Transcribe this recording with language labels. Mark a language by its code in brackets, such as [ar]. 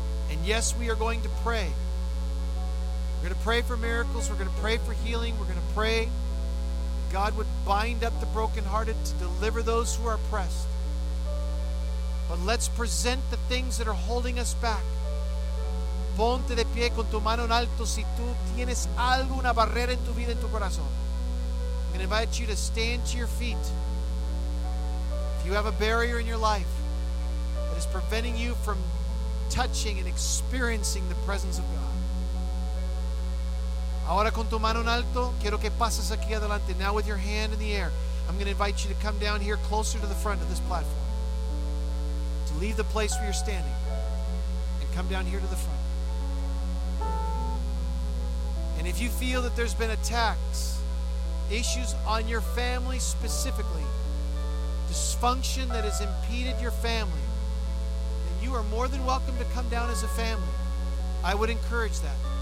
[en] And yes, we are going to pray. We're going to pray for miracles. We're going to pray for healing. We're going to pray that God would bind up the brokenhearted to deliver those who are oppressed. But let's present the things that are holding us back. [es] Ponte de pie con tu mano en alto si tú tienes alguna barrera en tu vida, en tu corazón. [en] I'm going to invite you to stand to your feet. If you have a barrier in your life that is preventing you from touching and experiencing the presence of God. [es] Ahora con tu mano en alto, quiero que pases aquí adelante. [en] Now with your hand in the air, I'm going to invite you to come down here closer to the front of this platform. To leave the place where you're standing and come down here to the front. And if you feel that there's been attacks, issues on your family specifically, dysfunction that has impeded your family, then you are more than welcome to come down as a family. I would encourage that.